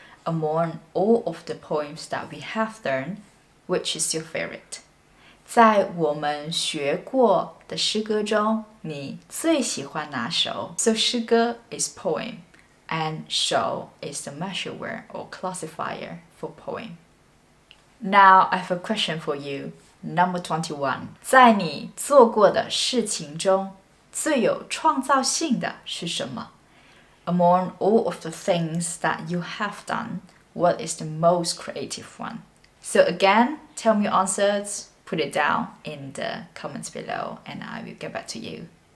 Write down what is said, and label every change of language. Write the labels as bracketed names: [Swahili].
[English] Among all of the poems that we have learned, which is your favorite? [Chinese] 在我们学过的诗歌中你最喜欢哪首? [English] So 诗歌 is poem and 首 is the measure word or classifier for poem. Now I have a question for you. Number 21. [Chinese] 在你做过的事情中最有创造性的是什么? [English] Among all of the things that you have done, what is the most creative one? So again, tell me your answers. Put it down in the comments below and I will get back to you.